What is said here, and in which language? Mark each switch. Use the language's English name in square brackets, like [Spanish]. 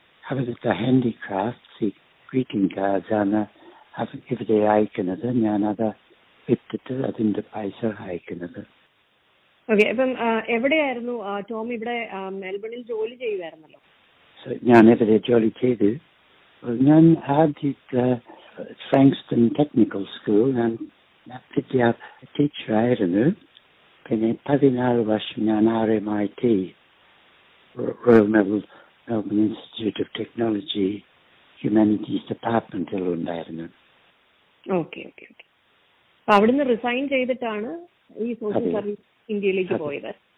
[Malayalam] അവിടുത്തെ ഹാൻഡിക്രാഫ്റ്റ്സ്, ഈ greeting cards ആണ് ഇവിടെ അയക്കുന്നത്. ഞാൻ അത് വിട്ടിട്ട് അതിന്റെ പൈസ അയക്കുന്നത്. ഓക്കെ, അപ്പം എവിടെയായിരുന്നു ടോം ഇവിടെ മെൽബണിൽ ജോലി ചെയ്യുവായിരുന്നല്ലോ? ഞാൻ ഇവിടെ ജോലി ചെയ്ത് [English] then I did Frankston Technical School and പറ്റിയ ടീച്ചറായിരുന്നു. [Malayalam] പിന്നെ 14 വർഷം ഞാൻ RMIT royal Melbourne institute of technology humanities ഡിപ്പാർട്ട്മെന്റിൽ ഉണ്ടായിരുന്നു. Okay okay okay. അപ്പൊ അവിടുന്ന് റിസൈൻ ചെയ്തിട്ടാണ് ഈ സോഷ്യൽ സർവീസ് ഇന്ത്യയിലേക്ക് പോയത്.